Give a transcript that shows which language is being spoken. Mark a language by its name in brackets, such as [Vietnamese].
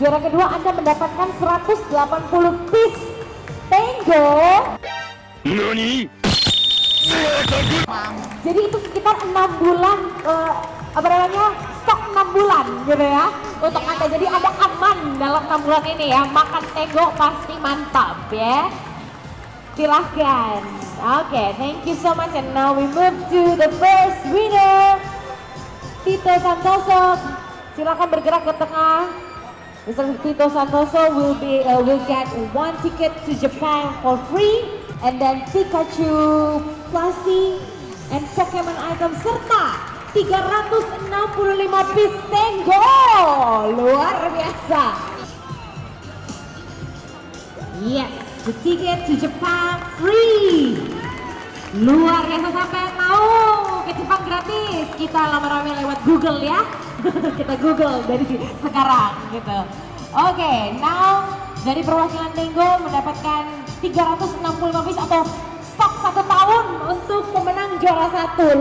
[Indonesian] Juara kedua Anda mendapatkan 180 piece Tenggo. [Japanese] Nani? [Indonesian] Jadi itu sekitar 6 bulan, apa namanya, stok 6 bulan gitu ya untuk Anda. Jadi ada aman dalam 6 bulan ini ya. Makan tego pasti mantap ya. Silahkan. [English] Oke, thank you so much. And now we move to the first winner. [Indonesian] Tito Santoso, silakan bergerak ke tengah. [English] Mr. Tito Santoso will get one ticket to Japan for free, and then Pikachu plushie and Pokemon item [Indonesian] serta 365 piece Tengo. Luar biasa. [English] Yes, the ticket to Japan free. [Indonesian] Luar biasa, sampai mau ke Jepang gratis. Kita lama-lama lewat Google ya. Kita Google dari sekarang gitu. Oke, now dari perwakilan Tengo mendapatkan 365 piece atau stok 1 tahun untuk pemenang juara 1.